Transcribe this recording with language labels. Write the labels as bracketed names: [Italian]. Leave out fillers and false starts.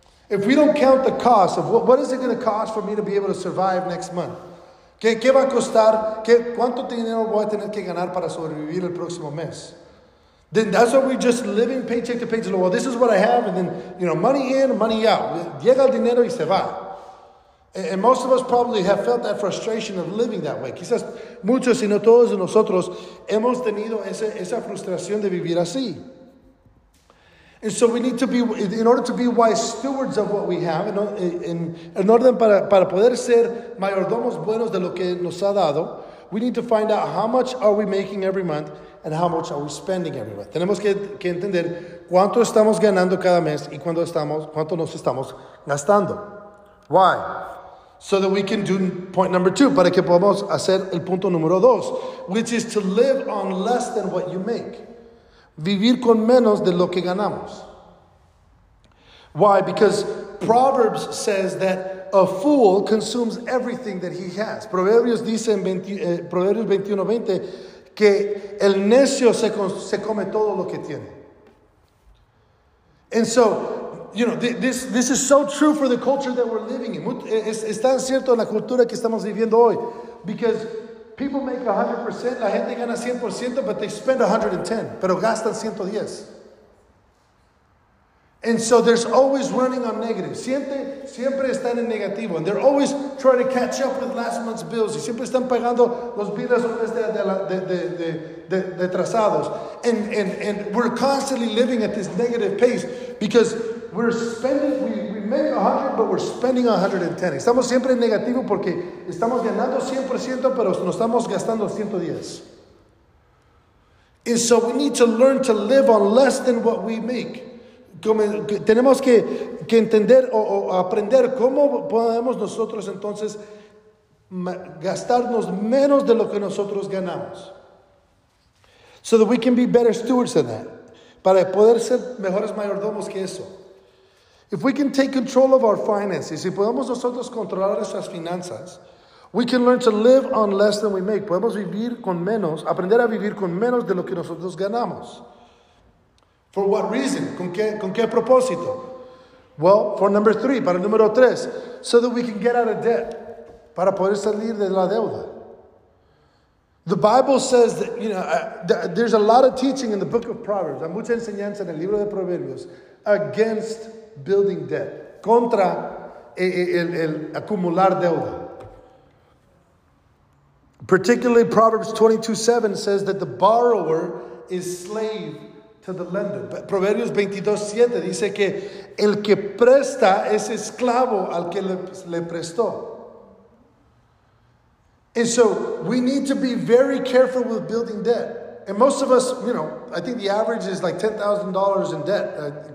[English] If we don't count the cost of what is it going to cost for me to be able to survive next month? [Spanish] ¿Qué va a costar? ¿Cuánto dinero voy a tener que ganar para sobrevivir el próximo mes? [English] Then that's what we're just living paycheck to paycheck. Well, this is what I have, and then, you know, money in, money out. [Spanish] Llega el dinero y se va. [English] And most of us probably have felt that frustration of living that way. [Spanish] Quizás muchos, si no todos de nosotros, hemos tenido esa frustración de vivir así. [English] And so we need to be, in order to be wise stewards of what we have, in order [Spanish] para poder ser mayordomos buenos de lo que nos ha dado, [English] we need to find out how much are we making every month and how much are we spending every month. [Spanish] Tenemos que entender cuánto estamos ganando cada mes y cuánto nos estamos gastando. [English] Why? So that we can do point number two, [Spanish] para que podamos hacer el punto número dos, [English] which is to live on less than what you make. [Spanish] Vivir con menos de lo que ganamos. Why? [English] Because Proverbs says that a fool consumes everything that he has. [Spanish] Proverbios dice en Proverbios 21:20 que el necio se come todo lo que tiene. [English] And so, you know, this is so true for the culture that we're living in. [Spanish] Es tan cierto en la cultura que estamos viviendo hoy. [English] Because people make 100%, [Spanish] la gente gana 100%, [English] but they spend 110, [Spanish] pero gastan 110. [English] And so there's always running on negative. [Spanish] Siempre están en negativo. [English] And they're always trying to catch up with last month's bills. [Spanish] Y siempre están pagando los bills de trazados. [English] And we're constantly living at this negative pace because we're spending, we make 100, but we're spending 110. [Spanish] Estamos siempre en negativo porque estamos ganando 100%, pero nos estamos gastando 110. [English] And so we need to learn to live on less than what we make. [Spanish] Tenemos que entender o aprender cómo podemos nosotros entonces gastarnos menos de lo que nosotros ganamos. [English] So that we can be better stewards than that. [Spanish] Para poder ser mejores mayordomos que eso. [English] If we can take control of our finances, [Spanish] si podemos nosotros controlar nuestras finanzas, [English] we can learn to live on less than we make. [Spanish] Podemos vivir con menos, aprender a vivir con menos de lo que nosotros ganamos. [English] For what reason? [Spanish] ¿Con qué propósito? [English] Well, for number three, [Spanish] para el número tres, [English] so that we can get out of debt, [Spanish] para poder salir de la deuda. [English] The Bible says that, you know, there's a lot of teaching in the book of Proverbs, [Spanish] hay mucha enseñanza en el libro de Proverbios, [English] against building debt, [Spanish] contra el acumular deuda. [English] Particularly, Proverbs 22:7 says that the borrower is slave to the lender. [Spanish] Proverbios 22:7 dice que el que presta es esclavo al que le prestó. [English] And so we need to be very careful with building debt. And most of us, you know, I think the average is like $10,000 in debt.